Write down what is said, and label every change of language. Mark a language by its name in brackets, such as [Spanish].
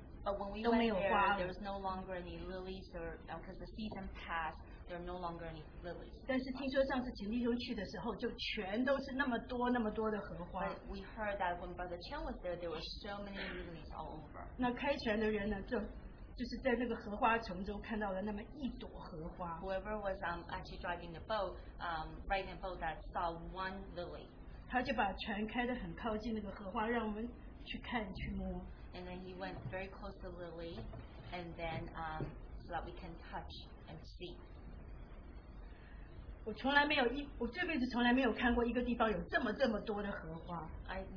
[English] But when we went there, there was no longer any lilies, or because the season passed, there are no longer any lilies. [Chinese] 但是听说上次秦弟兄去的时候，就全都是那么多那么多的荷花。 [English] But we heard that when Brother Chen was there, there were so many lilies all over. [Chinese] 那开船的人呢，就是在那个荷花丛中看到了那么一朵荷花。 [English] Whoever was actually driving the boat, riding the boat, that saw one lily. [Chinese] 他就把船开得很靠近那个荷花，让我们去看去摸。 [English] And then he went very close to Lily, and then so that we can touch and see. [Chinese] 我从来没有看过一个地方有这么多的荷花。 [English] I